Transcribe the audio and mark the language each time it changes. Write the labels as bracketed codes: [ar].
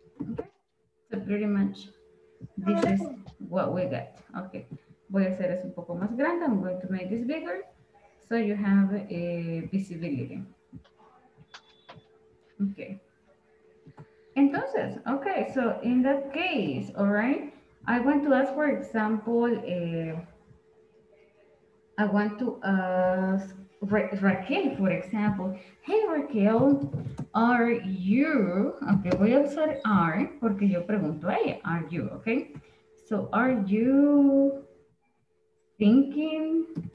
[en] Okay, so pretty much this is what we got. [es] Okay, voy a hacer eso un poco más grande. [en] I'm going to make this bigger so you have a visibility. Okay. Entonces, okay, so in that case, all right, I want to ask, for example, I want to ask Raquel, for example, hey, Raquel, are you, okay, [es] voy a usar are, porque yo pregunto a ella, [en] are you, okay? So, are you thinking?